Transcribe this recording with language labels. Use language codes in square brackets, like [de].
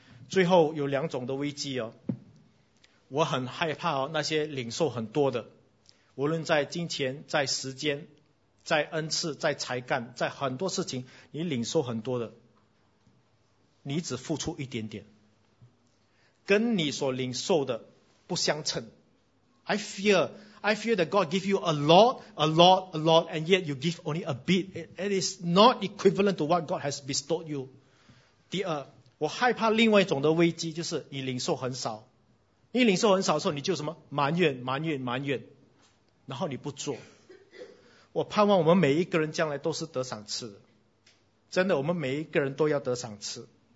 [zh] 最后有两种的危机哦，我很害怕哦，那些领受很多的，无论在金钱、在时间、在恩赐、在才干、在很多事情，你领受很多的，你只付出一点点，跟你所领受的不相称。 [en] I fear that God give you a lot, and yet you give only a bit. It is not equivalent to what God has bestowed you. [zh] 第二，我害怕另外一种的危机，就是你领受很少。你领受很少的时候，你就什么埋怨、埋怨、埋怨，然后你不做。我盼望我们每一个人将来都是得赏赐的。真的，我们每一个人都要得赏赐。